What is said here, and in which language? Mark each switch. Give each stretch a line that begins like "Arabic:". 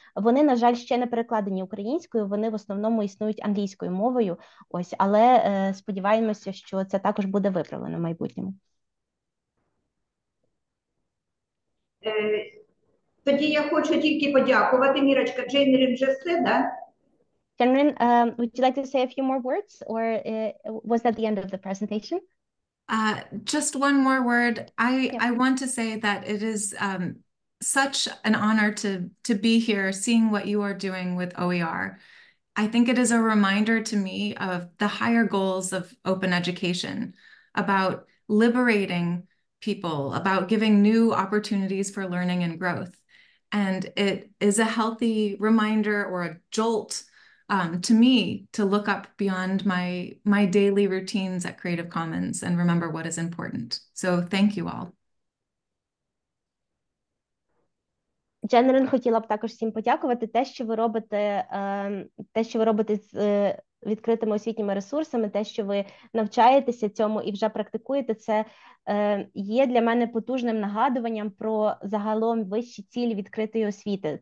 Ukrainian: Вони, на жаль, ще не перекладені українською, вони в основному існують англійською мовою. Ось, але сподіваємося, що це також буде виправлено в майбутньому. Тоді я хочу тільки подякувати, Мірочка, Джейнрін вже все, да?
English: Джейнрін, would you like to say a few more words, or was that the end of the presentation? Just one more word. I want to say that it is such an honor to be here, seeing what you are doing with OER. I think it is a reminder to me of the higher goals of open education, about liberating people, about giving new opportunities for learning and growth. And it is a healthy reminder or a jolt to me to look up beyond my daily routines at Creative Commons and remember what is important. So thank you all.
Ukrainian: Дженерин, хотіла б також всім подякувати. Те, що ви робите, з відкритими освітніми ресурсами, те, що ви навчаєтеся цьому і вже практикуєте, це є для мене потужним нагадуванням про загалом вищі цілі відкритої освіти.